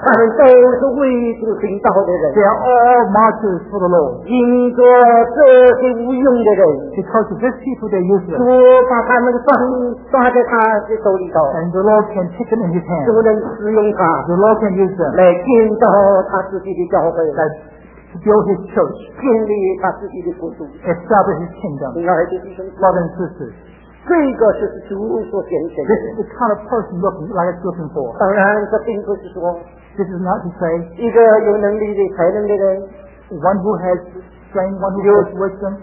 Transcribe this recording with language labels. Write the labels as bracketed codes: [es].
[zh] 他们都是为主殉道的人 [en] They are all martyrs for the Lord. [zh] 因着这些无用的人 [en] Because of these people they are useless. [zh] 主把他们抓在他的手里头 [en] And the Lord can take them in his hand. [zh] 主能使用他 [en] The Lord can use them. [zh] 来建造他自己的教会 [en] ThatTo build his church, [zh] 建立他自己的国度 [en] establish his kingdom. [zh] 亲爱的弟兄姊妹 [en] brothers and sisters, [zh] 这个就是主所拣选的。 [en] This is the kind of person looking for. [zh] 当然，这并不是说 [en] this is not to say [zh] 一个有能力的才能的人 [en] one who has strength, one who has wisdom,